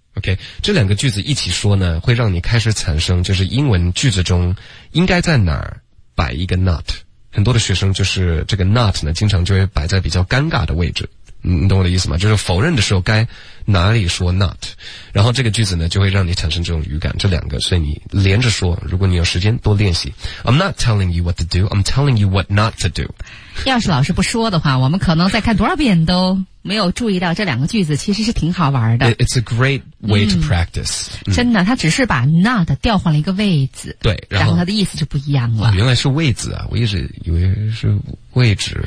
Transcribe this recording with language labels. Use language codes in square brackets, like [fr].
[zh] OK， 这两个句子一起说呢，会让你开始产生就是英文句子中应该在哪儿摆一个 not。很多的学生就是这个 not 呢经常就会摆在比较尴尬的位置，你懂我的意思吗？就是否认的时候该哪里说 not， 然后这个句子呢就会让你产生这种语感，这两个，所以你连着说，如果你有时间多练习。 [en] I'm not telling you what to do, I'm telling you what not to do。 [zh] 要是老师不说的话，我们可能再看多少遍都没有注意到这两个句子其实是挺好玩的。 [en] It's a great way to practice。 [zh] 真的，他只是把 not 调换了一个位置。对，然后他的意思就不一样了。哦，原来是位置啊，我一直以为是位置